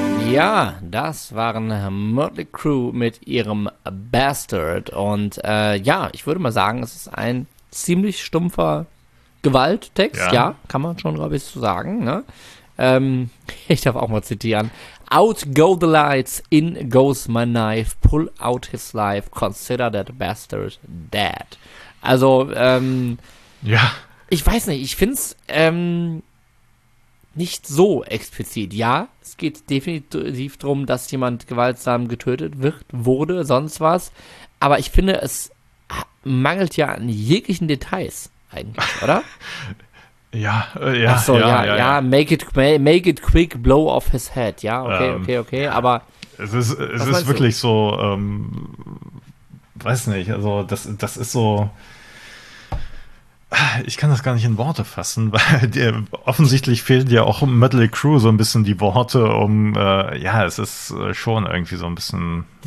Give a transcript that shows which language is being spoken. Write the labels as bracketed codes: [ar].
[de] Ja, das waren Mötley Crüe mit ihrem Bastard. Und ja, ich würde mal sagen, es ist ein ziemlich stumpfer Gewalttext. Ja. Ja, kann man schon, glaube ich, so sagen. Ne? Ich darf auch mal zitieren. [en] Out go the lights, in goes my knife, pull out his life, consider that bastard dead. [de] Also, Ja. ich weiß nicht, ich finde es nicht so explizit. Ja, es geht definitiv darum, dass jemand gewaltsam getötet wurde, sonst was. Aber ich finde, es mangelt ja an jeglichen Details eigentlich, oder? Ja, Ach ja, so, ja, ja, ja, [en] make it quick, blow off his head. [de] Ja, ja. okay, aber Es was ist meinst du? wirklich so, weiß nicht, also das ist so. Ich kann das gar nicht in Worte fassen, weil offensichtlich fehlen ja auch Mötley Crüe so ein bisschen die Worte, um, ja, es ist schon irgendwie so ein bisschen